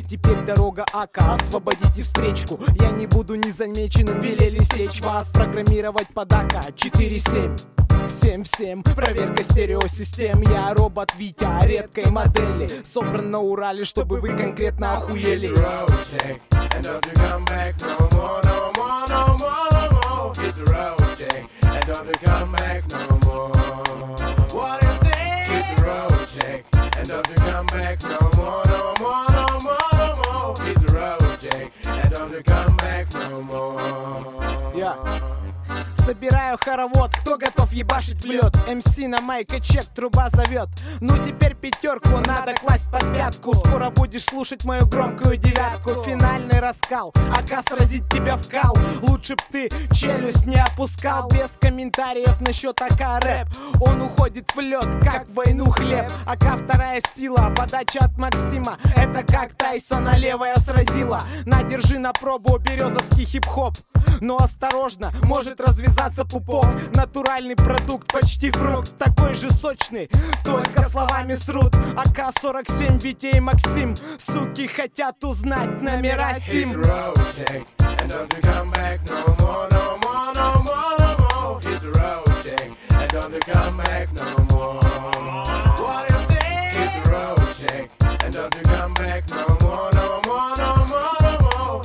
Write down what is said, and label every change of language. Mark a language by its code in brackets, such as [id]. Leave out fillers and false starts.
[ru] Теперь дорога ака, освободите встречку, я не буду незамеченным, велели сечь вас, программировать под ака, 4-7. Всем-всем, проверка стереосистем. Я робот Витя, редкой модели, собран на Урале, чтобы вы конкретно охуели. [en] Hit the road, Jack, and don't you come back no more, no more, no more, no more. Hit the road, Jack, and don't you come back no more. What is it? Hit the road, Jack, and don't you come back no more, no more, no more, no more. Hit the road, Jack, and don't you come back no more. Yeah. [ru] Собираю хоровод, кто готов ебашить в лед? МС на майке, чек, труба зовет. Ну теперь пятерку, надо класть под пятку. Скоро будешь слушать мою громкую девятку. Финальный раскал, ака сразит тебя в кал. Лучше б ты челюсть не опускал. Без комментариев насчет ака рэп. Он уходит в лед, как в войну хлеб. Ака вторая сила, подача от Максима. Это как Тайсона левая сразила. Надержи на пробу березовский хип-хоп. Но осторожно, может развязаться. Казаться пупок, натуральный продукт, почти фрукт, такой же сочный, только словами срут. АК-47, Витя и Максим, суки хотят узнать номера СИМ. [en] Hit the road, Jack, and don't you come back no more, no more, no more, no more. Hit the road, Jack, and don't you come back no more. What is it? Hit the road, Jack, and don't you come back no more, no more, no more, no more.